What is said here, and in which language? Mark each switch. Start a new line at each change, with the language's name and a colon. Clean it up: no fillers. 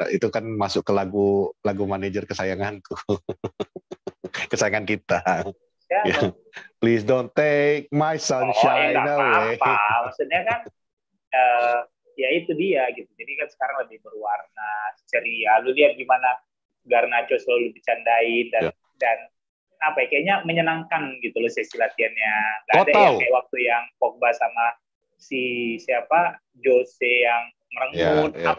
Indonesian: Itu kan masuk ke lagu manajer kesayanganku. Kesayangan kita.
English: Yeah. Please don't take my sunshine away.
Indonesian: Apa maksudnya kan ya itu dia gitu. Jadi kan sekarang lebih berwarna, ceria. Lu lihat gimana Garnacho selalu dicandain dan apa ya, kayaknya menyenangkan gitu loh sesi latihannya. Gak ada ya kayak waktu yang Pogba sama si siapa Jose yang merenggut,